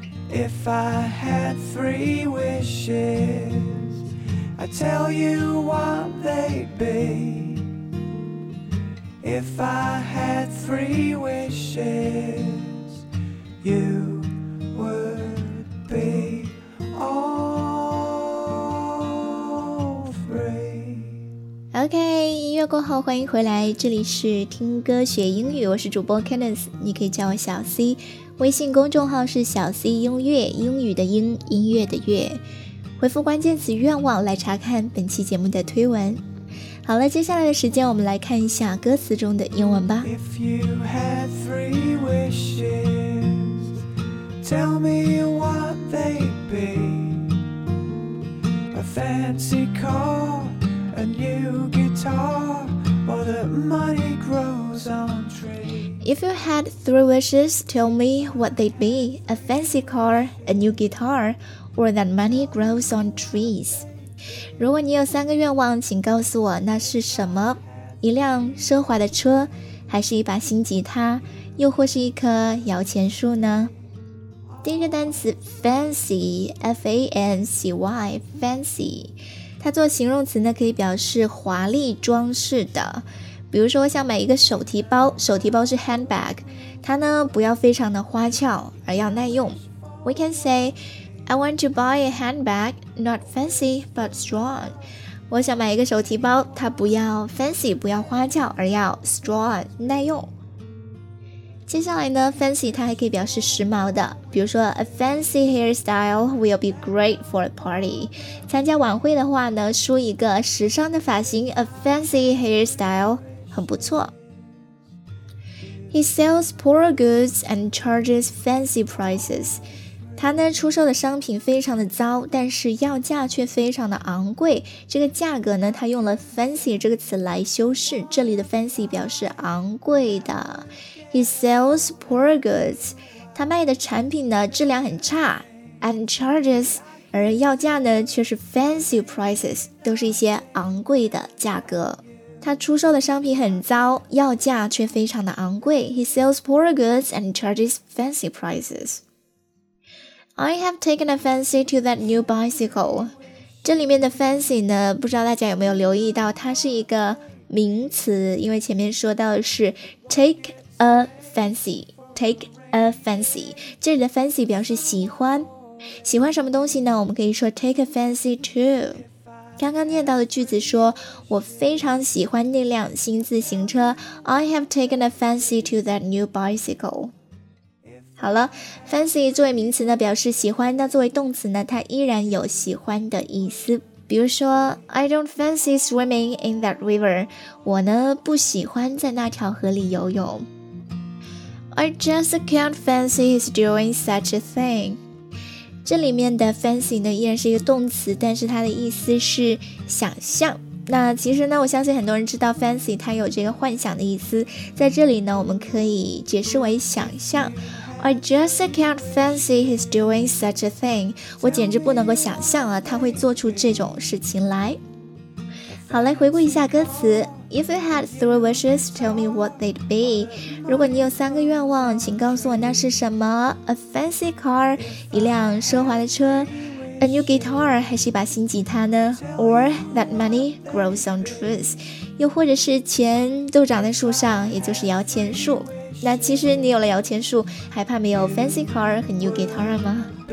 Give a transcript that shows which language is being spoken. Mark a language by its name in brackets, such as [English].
[English] If I had three wishes, I'd tell you what they'd be. If I had three wishes,You would be all free. [Chinese] OK, 音乐过后欢迎回来，这里是听歌学英语，我是主播 Kenneth， 你可以叫我小 C， 微信公众号是小 C 音乐，英语的英，音乐的乐，回复关键词愿望来查看本期节目的推文。好了，接下来的时间我们来看一下歌词中的英文吧。 [English] If you had three wishesTell me what they'd be A fancy car, a new guitar Or that money grows on trees If you had three wishes, tell me what they'd be A fancy car, a new guitar Or that money grows on trees [Chinese] 如果你有三个愿望，请告诉我那是什么？一辆奢华的车，还是一把新吉他，又或是一棵摇钱树呢？第一个单词 fancy F-A-N-C-Y fancy， 它做形容词呢，可以表示华丽装饰的。比如说我想买一个手提包，手提包是 handbag， 它呢不要非常的花俏，而要耐用。 [English] We can say, I want to buy a handbag, not fancy, but strong. [Chinese] 我想买一个手提包，它不要 fancy， 不要花俏，而要 strong， 耐用。接下来呢， fancy 它还可以表示时髦的，比如说 [English] a fancy hairstyle will be great for a party。 [Chinese] 参加晚会的话呢，梳一个时尚的发型， [English] a fancy hairstyle [Chinese] 很不错。 [English] He sells poor goods and charges fancy prices. [Chinese] 他呢出售的商品非常的糟，但是要价却非常的昂贵。这个价格呢，他用了 fancy 这个词来修饰。这里的 fancy 表示昂贵的。 [English] He sells poor goods. [Chinese] 他卖的产品呢质量很差。 [English] And charges [Chinese] 而要价呢却是 [English] fancy prices， [Chinese] 都是一些昂贵的价格。他出售的商品很糟，要价却非常的昂贵。 [English] He sells poor goods and charges fancy prices. I have taken a fancy to that new bicycle. [Chinese] 这里面的 fancy 呢，不知道大家有没有留意到，它是一个名词，因为前面说到的是 [English] take a fancy， [Chinese] take a fancy。这里的 fancy 表示喜欢，喜欢什么东西呢？我们可以说 [English] take a fancy to。 [Chinese] 刚刚念到的句子说，我非常喜欢那辆新自行车。 I have taken a fancy to that new bicycle. 好了， fancy 作为名词呢表示喜欢，那作为动词呢它依然有喜欢的意思。比如说 [English] I don't fancy swimming in that river. [Chinese] 我呢不喜欢在那条河里游泳。 [English] I just can't fancy his doing such a thing. [Chinese] 这里面的 fancy 呢依然是一个动词，但是它的意思是想象。那其实呢，我相信很多人知道 fancy 它有这个幻想的意思，在这里呢我们可以解释为想象。 [English] I just can't fancy he's doing such a thing. [Chinese] 我简直不能够想象啊，他会做出这种事情来。好，来回顾一下歌词。 [English] If you had three wishes, tell me what they'd be. [Chinese] 如果你有三个愿望，请告诉我那是什么。 [English] A fancy car, [Chinese] 一辆奢华的车。 [English] A new guitar, [Chinese] 还是一把新吉他呢。 [English] Or that money grows on trees. [Chinese] 又或者是钱都长在树上，也就是摇钱树。那其实你有了摇钱树，还怕没有 [English] fancy car [Chinese] 和 [English] new guitar [Chinese] 吗？